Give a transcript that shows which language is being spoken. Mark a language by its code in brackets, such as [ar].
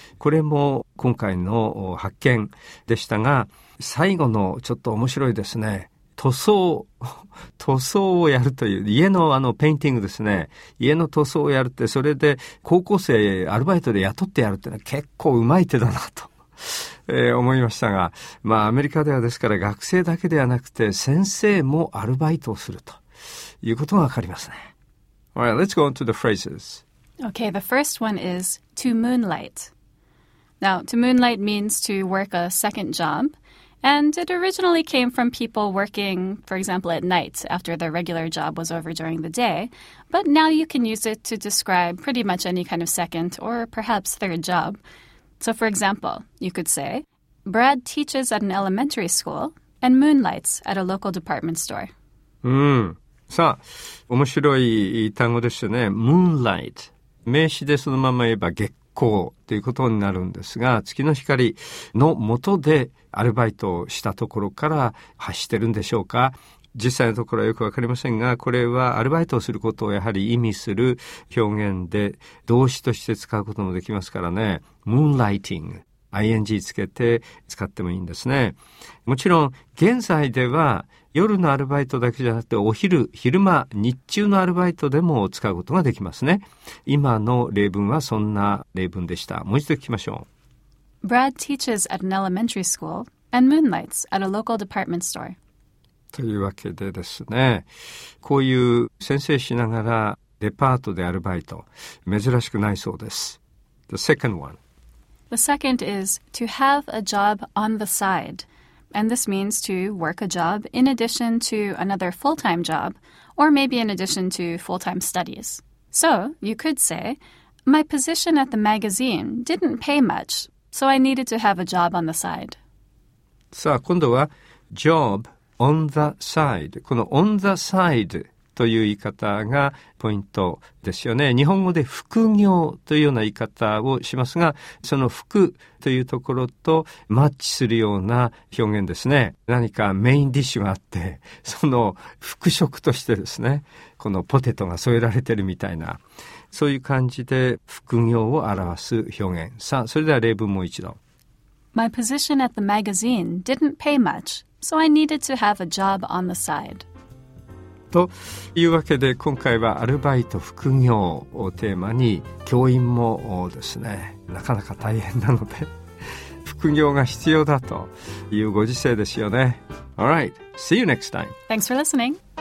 [ja] これも今回の発見でしたが、最後のちょっと面白いですね、塗装をやるという、家のあのペインティングですね、家の塗装をやるって、それで高校生アルバイトで雇ってやるってのは結構うまい手だなと思いましたが、まあアメリカではですから学生だけではなくて先生もアルバイトをするということがわかりますね。 [en] All right, let's go on to the phrases. Okay, the first one is to moonlight. Now, to moonlight means to work a second job. And it originally came from people working, for example, at night after their regular job was over during the day. But now you can use it to describe pretty much any kind of second or perhaps third job. So, for example, you could say, Brad teaches at an elementary school and moonlights at a local department store. [ja] さあ、面白い単語ですよね。 [en] Moonlight。 [ja] 名詞でそのまま言えば月光ということになるんですが、月の光の下でアルバイトをしたところから発してるんでしょうか。実際のところはよくわかりませんが、これはアルバイトをすることをやはり意味する表現で、動詞として使うこともできますからね。 Moonlighting、ing つけて使ってもいいんですね。もちろん現在では夜のアルバイトだけじゃなくて、お昼、昼間、日中のアルバイトでも使うことができますね。今の例文はそんな例文でした。もう一度聞きましょう。 [en] Brad teaches at an elementary school and moonlights at a local department store. [ja] というわけでですね、こういう先生しながらデパートでアルバイト、珍しくないそうです。 [en] The second one. The second is to have a job on the side. And this means to work a job in addition to another full-time job, or maybe in addition to full-time studies. So, you could say, my position at the magazine didn't pay much, so I needed to have a job on the side. [ja] さあ、今度は、 [en] job on the side。 [ja] この [en] on the side [ja] という言い方がポイントですよね。日本語で副業というような言い方をしますが、その副というところとマッチするような表現ですね。何かメインディッシュがあって、その副食としてですね、このポテトが添えられてるみたいな、そういう感じで副業を表す表現。さあ、それでは例文もう一度。 [en] My position at the magazine didn't pay much, so I needed to have a job on the side. [ja] というわけで、今回はアルバイト副業をテーマに、教員もですねなかなか大変なので副業が必要だというご時世ですよね。 [en] Alright, see you next time. Thanks for listening.